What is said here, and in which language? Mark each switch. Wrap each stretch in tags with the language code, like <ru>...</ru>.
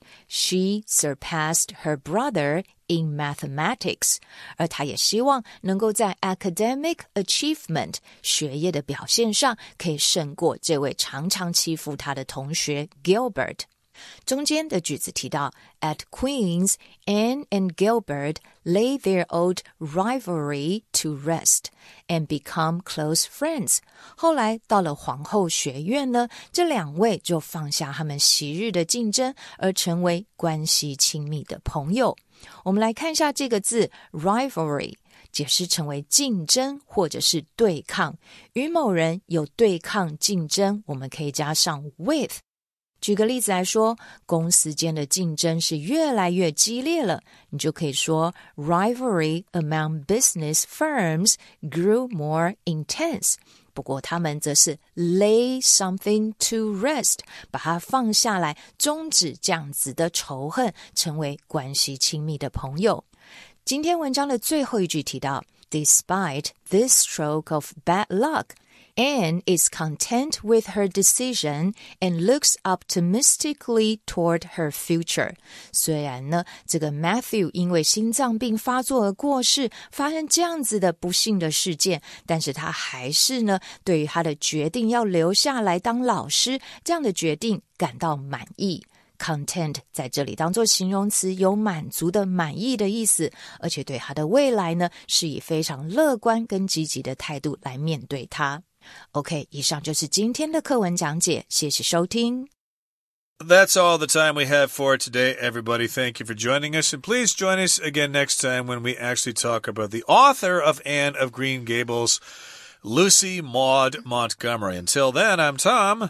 <en>She surpassed her brother in mathematics,</en> <zh>而她也希望能够在</zh> <en>academic achievement,</en> <zh>学业的表现上可以胜过这位常常欺负她的同学 Gilbert. 中间的句子提到</zh> <en>At Queen's, Anne and Gilbert lay their old rivalry to rest and become close friends.</en> <zh>后来到了皇后学院呢，这两位就放下他们昔日的竞争而成为关系亲密的朋友。我们来看一下这个字 rivalry 解释成为竞争或者是对抗。与某人有对抗竞争，我们可以加上 with。举个例子来说，公司间的竞争是越来越激烈了，你就可以说</zh> <en>Rivalry among business firms grew more intense.</en> <zh>不过他们则是</zh> <en>lay something to rest,</en> <zh>把它放下来，终止这样子的仇恨，成为关系亲密的朋友。今天文章的最后一句提到</zh> <en>Despite this stroke of bad luck,Anne is content with her decision and looks optimistically toward her future.</en> <zh>虽然呢，这个 Matthew 因为心脏病发作而过世，发生这样子的不幸的事件，但是他还是呢，对于他的决定要留下来当老师，这样的决定感到满意。 Content 在这里当作形容词有满足的满意的意思而且对他的未来呢是以非常乐观跟积极的态度来面对他 OK 以上就是今天的课文讲解谢谢收听</zh> <en>That's all the time we have for today everybody thank you for joining us and please join us again next time when we actually talk about the author of Anne of Green Gables Lucy Maud Montgomery Until then I'm Tom</en>